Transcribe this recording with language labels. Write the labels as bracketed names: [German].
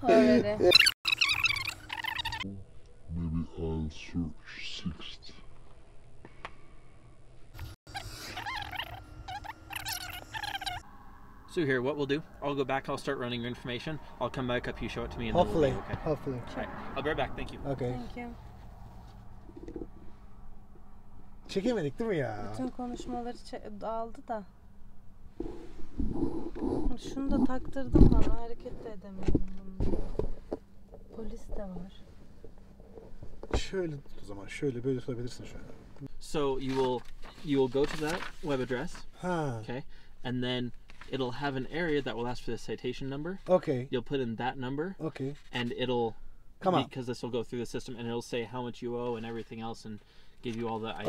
[English] Maybe I'll search 60. So here, what we'll do, I'll go back, I'll start running your information, I'll come back up, you show it to me, and hopefully, then we'll be okay. Hopefully. All right, I'll be right back, thank you. Okay. Thank you. [Turkish] Çekemedik değil mi ya? Bütün konuşmaları aldı da. Şunu da taktırdım bana, hareket de edemiyorum bunu. Polis de var. Şöyle tut o zaman, şöyle böyle tutabilirsin şöyle. [English] So you will go to that web address. Ha. Okay, and then... It'll have an area that will ask for the citation number. Okay. You'll put in that number. Okay. And it'll come up because this will go through the system and it'll say how much you owe and everything else and give you all the ideas.